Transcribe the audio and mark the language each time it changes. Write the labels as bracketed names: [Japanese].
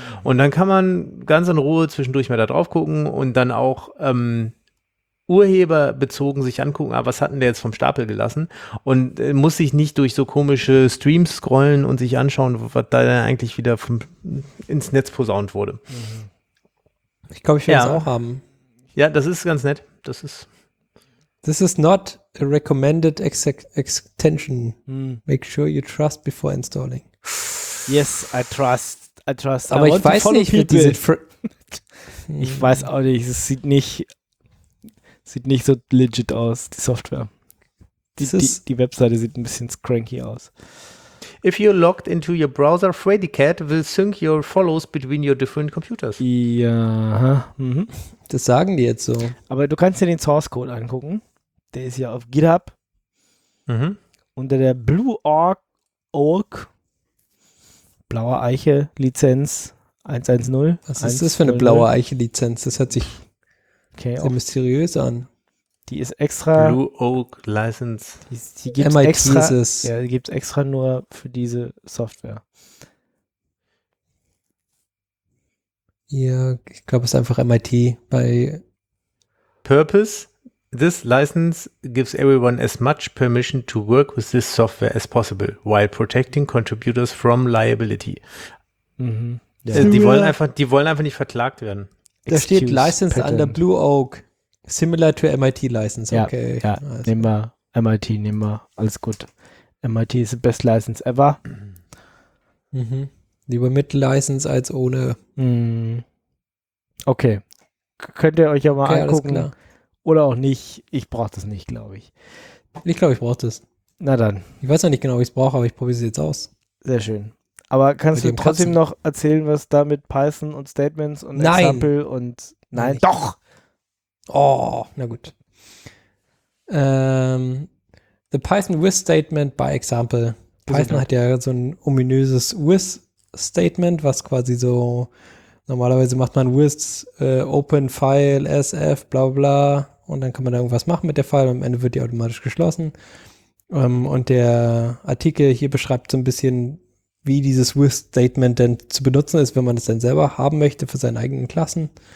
[German] Und dann kann man ganz in Ruhe zwischendurch mal da drauf gucken und dann auch urheberbezogen sich angucken, aber was hat denn der jetzt vom Stapel gelassen? Und muss sich nicht durch so komische Streams scrollen und sich anschauen, was da dann eigentlich wieder ins Netz posaunt wurde. Ich glaube, ich werde es auch haben. Ja, das ist ganz nett. Das ist. [English] This is not a recommended extension. Mm. Make sure you trust before installing. Yes, I trust. I trust. [German] Aber ich weiß nicht, wie diese. Ich weiß auch nicht. Es sieht nicht so legit aus, die Software. Die Webseite sieht ein bisschen cranky aus. [English] If you're logged into your browser, Freightcat will sync your follows between your different computers. [German] Ja. Das sagen die jetzt so. Aber du kannst dir den Source Code angucken. Der ist ja auf GitHub. Mhm. Unter der Blue Org blaue Eiche Lizenz 110. Was ist das für eine blaue Eiche Lizenz? Das hört sich sehr mysteriös an. Die ist extra. Blue Oak License. Die gibt es extra. Ist. Ja, die gibt es extra nur für diese Software. Ja, ich glaube, es ist einfach MIT bei [English] Purpose. This license gives everyone as much permission to work with this software as possible, while protecting contributors from liability. Mhm. [German] Ja. Die wollen einfach nicht verklagt werden. Da Excuse steht License patent. [English] Under Blue Oak, similar to MIT License. [German] Ja, okay. Ja, also. Nehmen wir MIT, nehmen wir. Alles gut. MIT ist [English] the best license ever. Mhm. [German] Lieber mit License als ohne. Mhm. Okay. Könnt ihr euch ja mal angucken. Alles klar. Oder auch nicht. Ich brauche das nicht, glaube ich. Ich glaube, ich brauche das. Na dann. Ich weiß noch nicht genau, ob ich es brauche, aber ich probiere es jetzt aus. Sehr schön. Aber kannst du trotzdem noch erzählen, was da mit Python und Statements und nein. Example und... Nein. Doch! Oh, na gut. [English] The Python with Statement by Example. [German] Python hat ja so ein ominöses with Statement, was quasi so... Normalerweise macht man with open file sf bla bla und dann kann man da irgendwas machen mit der File und am Ende wird die automatisch geschlossen. Und der Artikel hier beschreibt so ein bisschen, wie dieses with-Statement denn zu benutzen ist, wenn man es dann selber haben möchte für seine eigenen Klassen.